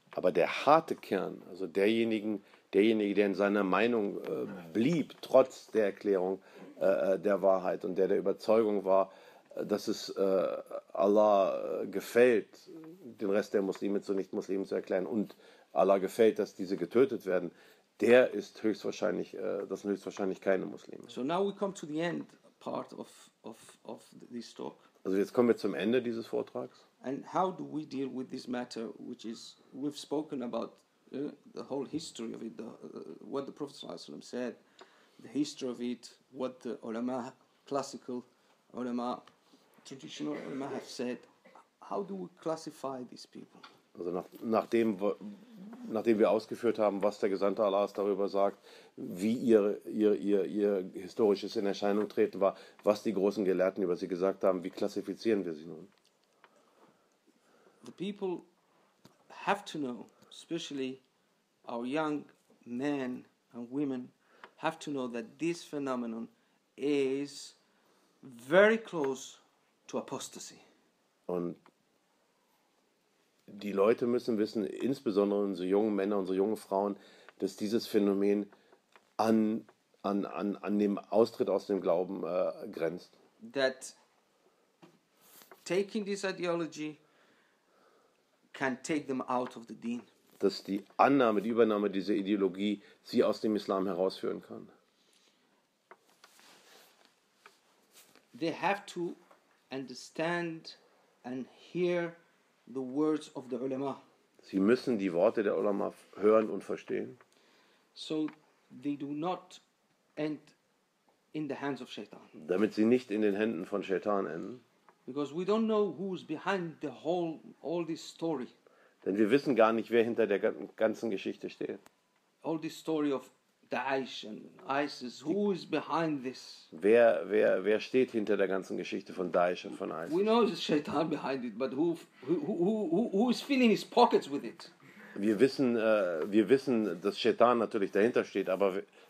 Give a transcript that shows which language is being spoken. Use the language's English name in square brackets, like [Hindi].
[German] Aber der harte Kern, also derjenige, der in seiner Meinung blieb, trotz der Erklärung der Wahrheit und der Überzeugung war, dass es Allah gefällt, den Rest der Muslime zu Nicht-Muslimen zu erklären und Allah gefällt, dass diese getötet werden, der ist höchstwahrscheinlich, das sind höchstwahrscheinlich keine Muslime. [English] So now we come to the end part of this talk. [German] Also jetzt kommen wir zum Ende dieses Vortrags. [English] And how do we deal with this matter, which is, we've spoken about the whole history of it, what the Prophet ﷺ said, the history of it, what the ulama classical ulama, traditional ulama have said, how do we classify these people? [German] Also nachdem wir ausgeführt haben, was der Gesandte Allahs darüber sagt, wie ihr historisches in Erscheinung treten war, was die großen Gelehrten über sie gesagt haben, wie klassifizieren wir sie nun? [English] The people have to know, especially our young men and women, have to know that this phenomenon is very close to apostasy. [German] Und die Leute müssen wissen, insbesondere unsere jungen Männer, unsere jungen Frauen, dass dieses Phänomen an dem Austritt aus dem Glauben grenzt. [English] That taking this ideology can take them out of the deen. [German] Dass die Annahme, die Übernahme dieser Ideologie sie aus dem Islam herausführen kann. [English] They have to understand and hear the words of the ulama. [German] Sie müssen die Worte der Ulama hören und verstehen. [English] So they do not end in the hands of Shaitan. [German] Damit sie nicht in den Händen von Shaitan enden. [English] Because we don't know who's behind the whole all this story. [German] Denn wir wissen gar nicht, wer hinter der ganzen Geschichte steht. [English] All this story of Daesh and ISIS. Who is behind this? [German] Wer steht hinter der ganzen Geschichte von Daesh und von ISIS? [English] We know it's Shaitan behind it, but who is filling his pockets with it? [German] Wir wissen, dass Shaitan natürlich dahinter steht, aber